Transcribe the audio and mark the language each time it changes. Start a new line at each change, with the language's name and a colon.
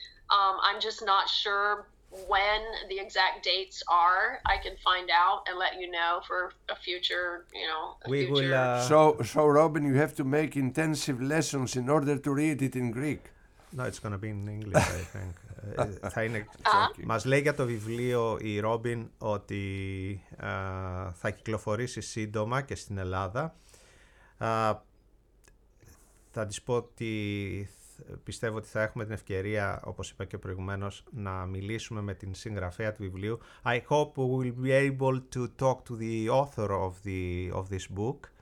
English: I'm just not sure when the exact dates are. I can find out and let you know for a future, So Robin, you have to make intensive lessons in order to read it in Greek. No, it's going to be in English, I think.
Greek: Θα είναι... Μας λέει για το βιβλίο η Ρόμπιν ότι θα κυκλοφορήσει σύντομα και στην Ελλάδα. Θα της πω ότι πιστεύω ότι θα έχουμε την ευκαιρία, όπως είπα και προηγουμένως, να μιλήσουμε με την συγγραφέα του βιβλίου.
English: I hope we will be able to talk to the author of this book.